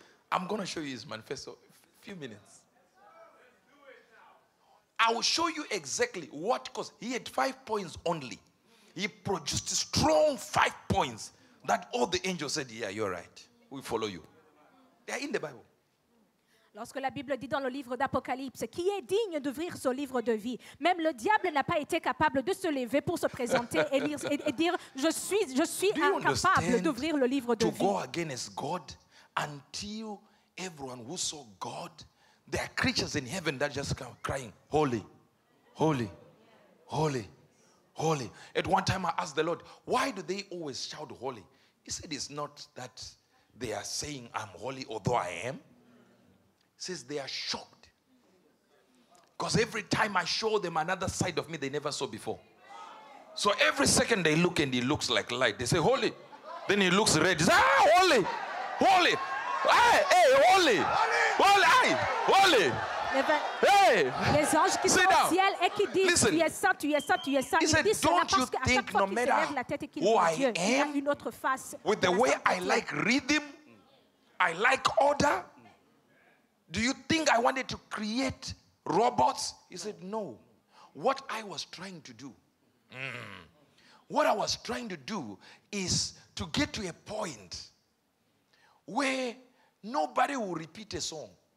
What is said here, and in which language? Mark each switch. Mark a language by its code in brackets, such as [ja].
[en] I'm going to show you his manifesto in a few minutes. I will show you exactly what, because he had 5 points only. He produced strong 5 points that all the angels said, yeah, you're right. We follow you. They are in the Bible. [fr] Lorsque la Bible dit dans le livre d'Apocalypse qui est digne d'ouvrir son livre de vie, même le diable n'a pas été capable de se lever pour se présenter et dire, je suis incapable d'ouvrir le livre de [en] to [fr] vie. [en] To go against God until everyone who saw God, there are creatures in heaven that just come crying, holy, holy, holy, holy. At one time I asked the Lord, why do they always shout holy? He said, it's not that they are saying I'm holy, although I am. Says they are shocked. Because every time I show them another side of me they never saw before. So every second they look and he looks like light. They say, holy. Then he looks red. He says, ah, holy. Holy. Hey, hey, holy. Holy. Hey, holy. Hey. [fr] Les anges qui sont au ciel et qui disent, [en] listen. [fr] Tu es saint, tu es saint, tu es saint. [en] He said, don't you think no matter who I am, with the way I like rhythm, I like order, do you think I wanted to create robots? He said, no. What I was trying to do, what I was trying to do is to get to a point where nobody will repeat a song.